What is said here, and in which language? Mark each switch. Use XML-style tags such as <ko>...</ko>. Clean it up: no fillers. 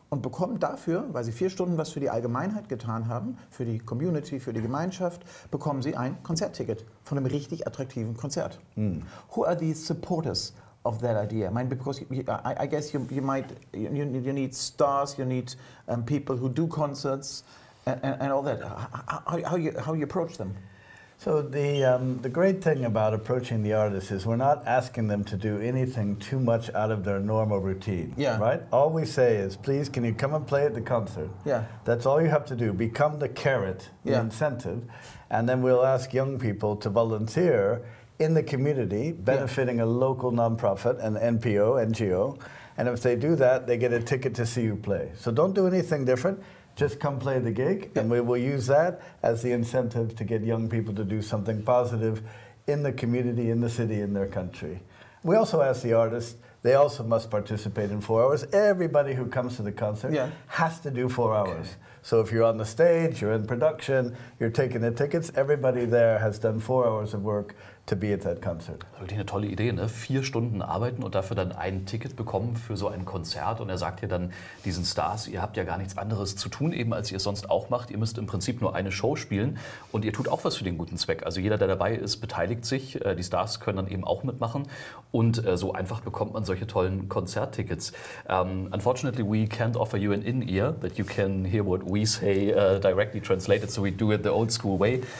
<de>Und bekommen dafür, weil sie 4 Stunden was für die Allgemeinheit getan haben, für die Community, für die Gemeinschaft, bekommen sie ein Konzertticket von einem richtig attraktiven Konzert. Mm.</de> <en>Who are the supporters of that idea? I mean, because I guess you need stars, you need people who do concerts and all that. How you approach them? So the great thing about approaching the artists is we're not asking them to do anything too much out of their normal routine, right? All we say is, please, can you come and play at the concert? Yeah. That's all you have to do. Become the carrot, the incentive, and then we'll ask young people to volunteer in the community, benefiting a local nonprofit, an NPO, NGO, and if they do that, they get a ticket to see you play. So don't do anything different. Just come play the gig, and we will use that as the incentive to get young people to do something positive in the community, in the city, in their country. We also ask the artists, they also must participate in 4 hours. Everybody who comes to the concert has to do 4 hours. Okay. So if you're on the stage, you're in production, you're taking the tickets, everybody there has done 4 hours of work to be at that concert.</en> <de>Wirklich eine tolle Idee, ne? 4 Stunden arbeiten und dafür dann ein Ticket bekommen für so ein Konzert. Und er sagt ja dann diesen Stars, ihr habt ja gar nichts anderes zu tun, eben als ihr es sonst auch macht. Ihr müsst im Prinzip nur eine Show spielen und ihr tut auch was für den guten Zweck. Also jeder, der dabei ist, beteiligt sich. Die Stars können dann eben auch mitmachen. Und so einfach bekommt man solche tollen Konzerttickets.</de> <en>Unfortunately, we can't offer you an in-ear, that you can hear what we say directly translated, so we do it the old school way.</en>